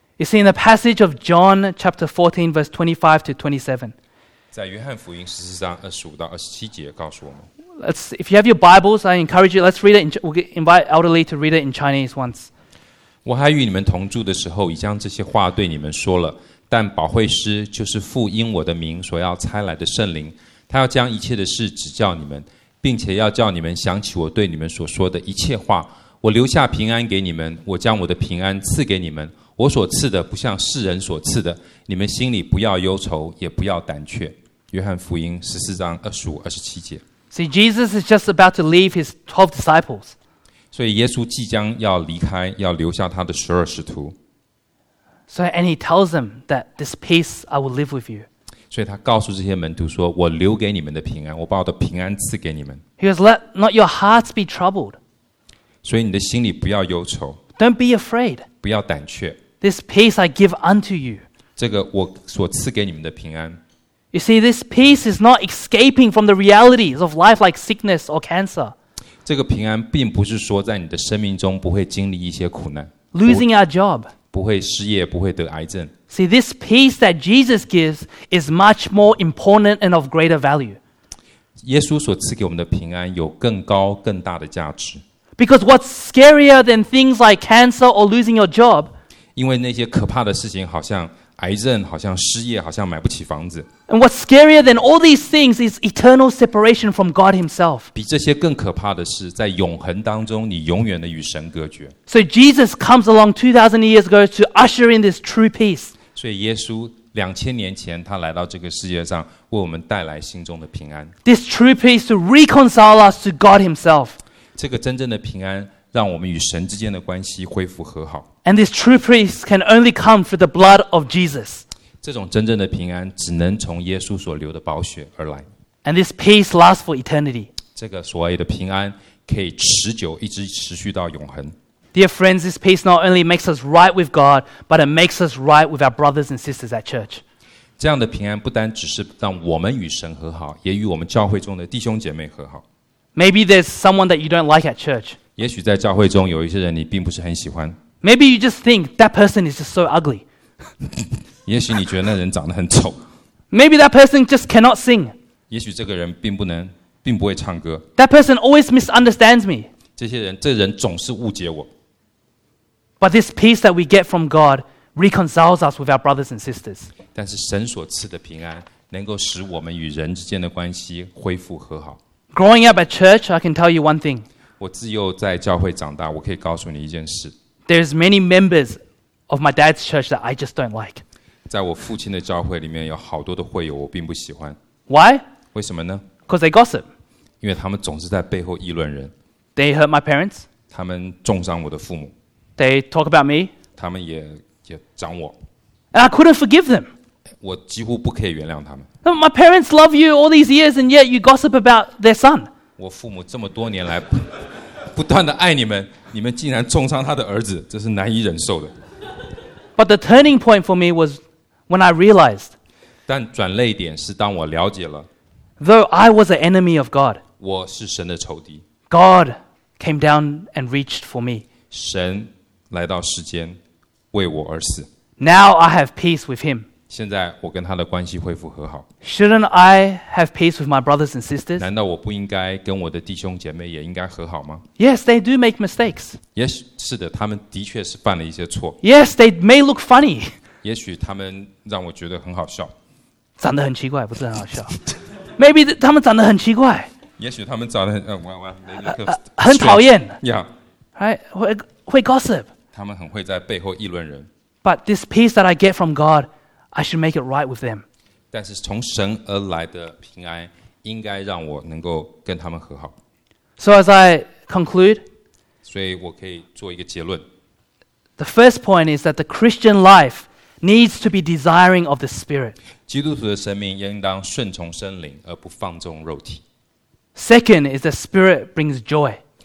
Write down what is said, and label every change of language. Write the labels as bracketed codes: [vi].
[en] You see, in the passage of John chapter 14, verse 25 to 27. [zh] 在约翰福音十四章二十五到二十七节告诉我们。 [en] If you have your Bibles, I encourage you, let's read it. We'll invite elderly to read it in Chinese once. [zh] 我还与你们同住的时候，已将这些话对你们说了。但保惠师，就是父因我的名所要差来的圣灵，他要将一切的事指教你们，并且要叫你们想起我对你们所说的一切话。我留下平安给你们，我将我的平安赐给你们。我所赐的不像世人所赐的，你们心里不要忧愁，也不要胆怯。约翰福音十四章二十五、二十七节。 [en] See, Jesus is just about to leave his 12 disciples. [zh] 所以耶稣即将要离开，要留下他的十二使徒。 [en] So, and he tells them that this peace I will leave with you. [zh] 所以他告诉这些门徒说，我留给你们的平安，我把我的平安赐给你们。 [en] He goes, let not your hearts be troubled. [zh] 所以你的心里不要忧愁。 [en] Don't be afraid. [zh] 不要胆怯。 [en] This peace I give unto you. [zh] 这个我所赐给你们的平安。 [en] You see, this peace is not escaping from the realities of life like sickness or cancer. [zh] 这个平安并不是说在你的生命中不会经历一些苦难。 [en] Losing our job. [zh] 不会失业，不会得癌症。 [en] See, this peace that Jesus gives is much more important and of greater value. [zh] 耶稣所赐给我们的平安有更高更大的价值。 [en] Because what's scarier than things like cancer or losing your job? [zh] 因为那些可怕的事情好像癌症，好像失业，好像买不起房子。 [en] And what's scarier than all these things is eternal separation from God himself. [zh] 比这些更可怕的是在永恒当中你永远的与神隔绝。 [en] So Jesus comes along 2,000 years ago to usher in this true peace. [zh] 所以耶稣2000年前他来到这个世界上为我们带来心中的平安。 [en] This true peace to reconcile us to God himself. [zh] 这个真正的平安让我们与神之间的关系恢复和好。 [en] And this true peace can only come through the blood of Jesus. [zh] 这种真正的平安只能从耶稣所流的宝血而来。 [en] And this peace lasts for eternity. [zh] 这个所谓的平安可以持久，一直持续到永恒。 [en] Dear friends, this peace not only makes us right with God, but it makes us right with our brothers and sisters at church. [zh] 这样的平安不单只是让我们与神和好，也与我们教会中的弟兄姐妹和好。 [en] Maybe there's someone that you don't like at church. [zh] 也许在教会中有一些人你并不是很喜欢。 [en] Maybe you just think that person is just so ugly. [zh] 也许你觉得那人长得很丑。 [en] Maybe that person just cannot sing. [zh] 也许这个人并不能，并不会唱歌。 [en] That person always misunderstands me. [zh] 这人总是误解我。 [en] But this peace that we get from God reconciles us with our brothers and sisters. [zh] 但是神所赐的平安能够使我们与人之间的关系恢复和好。 [en] Growing up at church, I can tell you one thing. [zh] 我自幼在教会长大，我可以告诉你一件事。 [en] There's many members of my dad's church that I just don't like. [zh] 在我父亲的教会里面有好多的会友我并不喜欢。 [en] Why? [zh] 为什么呢？ [en] Because they gossip. [zh] 因为他们总是在背后议论人。 [en] They hurt my parents. [zh] 他们重伤我的父母。 [en] They talk about me. [zh] 他们也讲我。 [en] And I couldn't forgive them. [zh] 我几乎不可以原谅他们。 [en] My parents love you all these years and yet you gossip about their son. [zh] 我父母这么多年来不断的爱你们，你们竟然重伤他的儿子，这是难以忍受的。 [en] But the turning point for me was when I realized. [zh] 但转捩点是当我了解了。 [en] Though I was an enemy of God. [zh] 我是神的仇敌。 [en] God came down and reached for me. [zh] 神来到世间为我而死。 [en] Now I have peace with Him. [zh] 现在我跟他的关系恢复和好。 [en] Shouldn't I have peace with my brothers and sisters? [zh] 难道我不应该跟我的弟兄姐妹也应该和好吗？ [en] Yes, they do make mistakes. [zh] 也许是的，他们的确是犯了一些错。 [en] Yes, they may look funny. [zh] 也许他们让我觉得很好笑。长得很奇怪，不是很好笑。Maybe 他们长得很奇怪。也许他们长得很讨厌。 [en] Yeah. Right? 会 gossip. [zh] 他们很会在背后议论人。 [en] But this peace that I get from God, I should make it right with them. [zh] 但是从神而来的平安应该让我能够跟他们和好。 [en] So as I conclude, [zh] 所以我可以做一个结论。 [en] The first point is that the Christian life needs to be desiring of the Spirit. [zh] 基督徒的生命应当顺从圣灵而不放纵肉体。 [en] Second is the Spirit brings joy.